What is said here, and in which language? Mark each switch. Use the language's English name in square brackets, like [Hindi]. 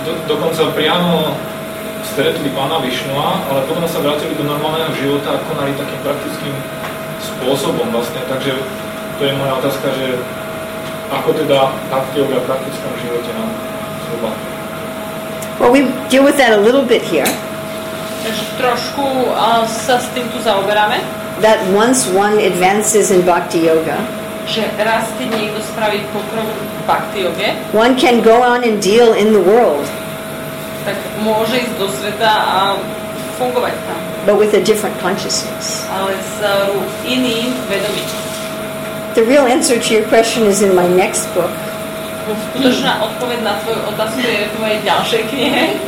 [Slovak] dokonca priamo stretli pána Vishnua, ale potom sa vrátili do normálneho života a konali takým praktickým spôsobom vlastne, takže to je moja otázka, že ako teda bhakti yoga v praktickom živote nám zhruba. [English] Well, we deal with that a little bit here. [Slovak] Takže trošku sa s týmto zaoberáme. [English] That once one advances in bhakti yoga, [Slovak] že raz keď niekto spraví pokrok v bhakti yoga, [English] one can go on and deal in the world. [Slovak] Tak môže ísť do sveta a fungovať tam. [English] But with a different consciousness. [Slovak] Ale s iným vedomím. [English] The real answer to your question is in my next book. [Slovak] Skutočná odpoveď na tvoju otázku je v mojej ďalšej knihe.